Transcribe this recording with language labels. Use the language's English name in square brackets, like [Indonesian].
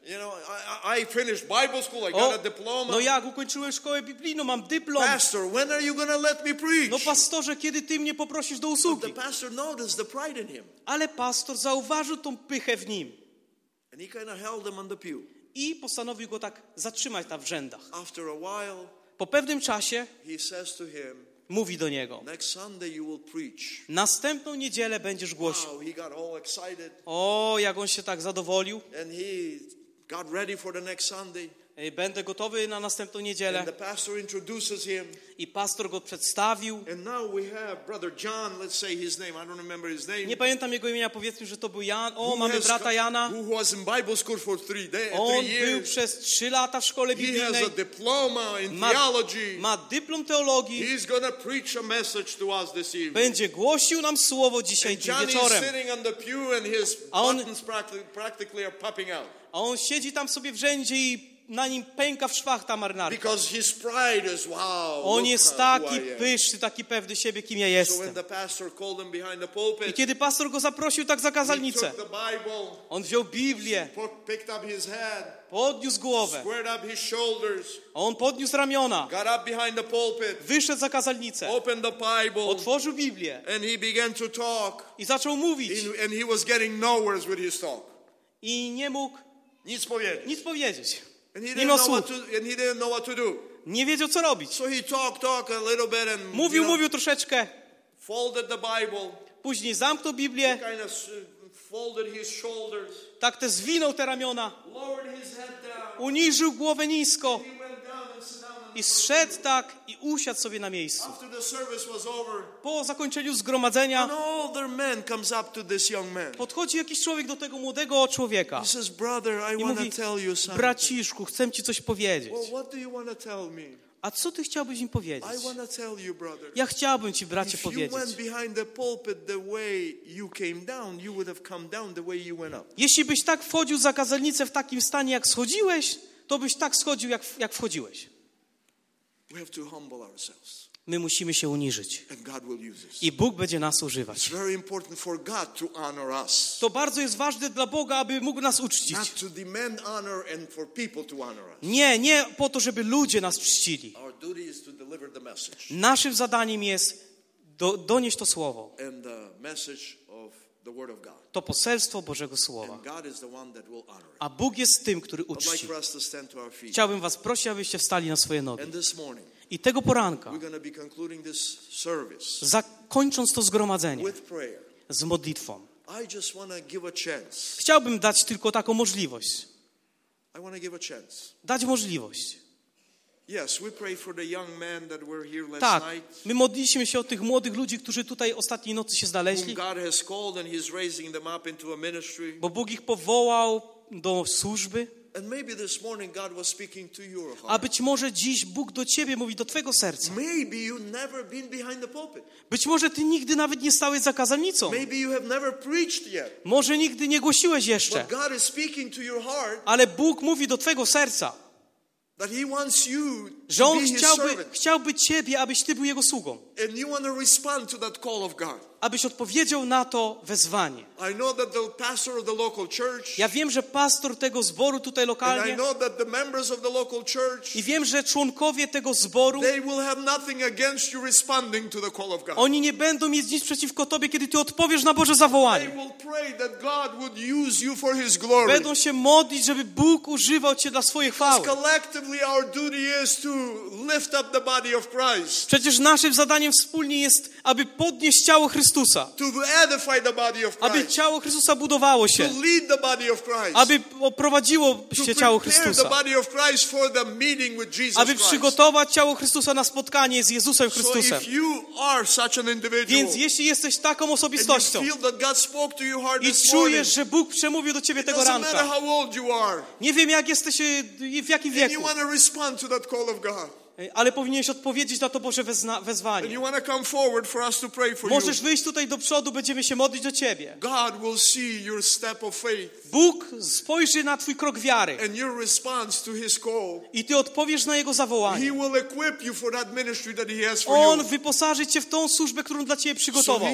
[English] You know, I finished Bible school. I got a diploma. [Polish] No jak ukończyłem szkołę biblijną, mam dyplom. [English] Pastor, when are you gonna let me preach? [Polish] No pastorze, kiedy ty mnie poprosisz do usługi? [English] But the pastor noticed the pride in him. [Polish] Ale pastor zauważył tą pychę w nim. [English] And he kind of held him on the pew. [Polish] I postanowił go tak zatrzymać tam w rzędach. [English] After a while, [Polish] po pewnym czasie, [English] he says to him. [Polish] Mówi do niego. [English] Next Sunday you will preach. [Polish] Następną niedzielę będziesz głosił. [English] Wow, he got all excited. [Polish] O, jak on się tak zadowolił. [English] And he got ready for the next Sunday. [Polish] Będę gotowy na następną niedzielę. [English] And the pastor introduces him. [Polish] I pastor go przedstawił. [English] And now we have brother John, let's say his name. I don't remember his name. [Polish] Nie pamiętam jego imienia. Powiedzmy, że to był Jan. O, mamy brata Jana. [English] Who was in Bible school for three days? [Polish] On był przez 3 lata w szkole biblijnej. [English] He has a diploma in theology. [Polish] Ma dyplom teologii. [English] He's gonna preach a message to us this evening. [Polish] Będzie głosił nam słowo dzisiaj wieczorem. [English] And John is sitting on the pew and his buttons practically are popping out. [Polish] A on siedzi tam sobie w rzędzie i na nim pęka w szwach ta marynarka. [English] Because his pride is, wow, [Polish] on jest taki pyszny, taki pewny siebie, kim ja jestem. [English] So when the pastor called him behind the pulpit, [Polish] i kiedy pastor go zaprosił tak za kazalnicę, [English] he took the Bible, [Polish] on wziął Biblię, [English] picked up his head, [Polish] podniósł głowę, [English] squared up his shoulders, [Polish] a on podniósł ramiona, [English] got up behind the pulpit, [Polish] wyszedł za kazalnicę, [English] opened the Bible, [Polish] otworzył Biblię, [English] and he began to talk, [Polish] i zaczął mówić. [English] And he was getting nowhere with his talk. [Polish] I nie mógł nic powiedzieć. [English] And he didn't know what to, and he didn't know what to do. [Polish] Nie wiedział, co robić. [English] So he talked a little bit and [Polish] mówił troszeczkę. [English] Folded the Bible. [Polish] Później zamknął Biblię. [English] Kind of folded his shoulders. [Polish] Tak te zwinął te ramiona. [English] Lowered his head down. [Polish] Uniżył głowę nisko. [English] And he went down and sat down. [Polish] I zszedł tak i usiadł sobie na miejscu. [English] After the service was over, [Polish] po zakończeniu zgromadzenia, [English] an older man comes up to this young man. [Polish] Podchodzi jakiś człowiek do tego młodego człowieka. [English] He says, "Brother, I want to tell you something." [Polish] Braciszku, chcę ci coś powiedzieć. [English] Well, what do you want to tell me? [Polish] A co ty chciałbyś mi powiedzieć? [English] I want to tell you, brother. [Polish] Ja chciałbym ci, bracie, powiedzieć. [English] If you went behind the pulpit the way you came down, you would have come down the way you went up. [Polish] Jeśli byś tak wchodził za kazalnicę w takim stanie, jak schodziłeś, to byś tak schodził, jak wchodziłeś. [English] We have to humble ourselves. [Polish] My musimy się uniżyć. [English] And God will use us. [Polish] I Bóg będzie nas używać. [English] It's very important for God to honor us. [Polish] To bardzo jest ważne dla Boga, aby mógł nas uczcić. [English] Not to demand honor and for people to honor us. [Polish] Nie po to, żeby ludzie nas czcili. [English] Our duty is to deliver the message. [Polish] Naszym zadaniem jest donieść to słowo. [English] And the message of the word of God. [Polish] To poselstwo Bożego Słowa. [English] And God is the one that will honor it. [Polish] A Bóg jest tym, który uczci. [English] I'd like for us to stand to our feet. [Polish] Chciałbym was prosić, abyście wstali na swoje nogi. [English] And this morning, [Polish] i tego poranka, [English] we're going to be concluding this service, [Polish] zakończąc to zgromadzenie [English] with prayer, [Polish] z modlitwą, [English] I just want to give a chance. [Polish] Chciałbym dać tylko taką możliwość. [English] I want to give a chance. [Polish] Dać możliwość. [English] Yes, we pray for the young men that were here last [Polish] tak, [English] night. [Polish] My modliliśmy się o tych młodych ludzi, którzy tutaj ostatniej nocy się znaleźli. [English] God has called and he's raising them up into a ministry. [Polish] Bo Bóg ich powołał do służby. [English] And maybe this morning God was speaking to your heart. [Polish] A być może dziś Bóg do ciebie mówi, do twojego serca. [English] Maybe you've never been behind the pulpit. [Polish] Być może ty nigdy nawet nie stałeś za kazalnicą. [English] Maybe you have never preached yet. [Polish] Może nigdy nie głosiłeś jeszcze. [English] But God is speaking to your heart. [Polish] Ale Bóg mówi do twojego serca. [English] That he wants you to [Polish] że On [English] be [Polish] chciałby ciebie, abyś ty był Jego sługą. [English] And you want to respond to that call of God. [Polish] Abyś odpowiedział na to wezwanie. [English] I know that the pastor of the local church, [Polish] ja wiem, że pastor tego zboru tutaj lokalnie, [English] and I know that the members of the local church, [Polish] i wiem, że członkowie tego zboru, [English] they will have nothing against you responding to the call of God. [Polish] Oni nie będą mieć nic przeciwko tobie, kiedy ty odpowiesz na Boże zawołanie. [English] They will pray that God would use you for his glory. [Polish] Będą się modlić, żeby Bóg używał cię dla swojej chwały. [English] Because collectively our duty is to lift up the body of Christ. [Polish] Przecież naszym zadaniem wspólnie jest, aby podnieść ciało Chrystusa. [English] To edify the body of Christ. [Polish] Aby ciało Chrystusa budowało się. [English] To lead the body of Christ. [Polish] Aby oprowadziło się ciało Chrystusa. [English] The body of Christ for the meeting with Jesus. [Polish] Aby przygotować ciało Chrystusa na spotkanie z Jezusem Chrystusem. [English] So if you are such an individual, [Polish] więc jeśli jesteś taką osobistością [English] and you feel that God spoke to your heart this [Polish] i czujesz, [English] morning, [Polish] że Bóg przemówił do ciebie tego ranka, [English] it doesn't matter how old you are, [Polish] nie wiem, jak jesteś i w jakim wieku, [English] and you want to respond to that call of God, [Polish] ale powinieneś odpowiedzieć na to Boże wezwanie. [English] And you want to come forward for us to pray for you. [Polish] Możesz wyjść tutaj do przodu, będziemy się modlić do ciebie. [English] God will see your step of faith. [Polish] Bóg spojrzy na twój krok wiary. [English] And your response to his call. [Polish] I ty odpowiesz na jego zawołanie. [English] He will equip you for that ministry that he has for you. [Polish] On wyposaży cię w tą służbę, którą dla ciebie przygotował.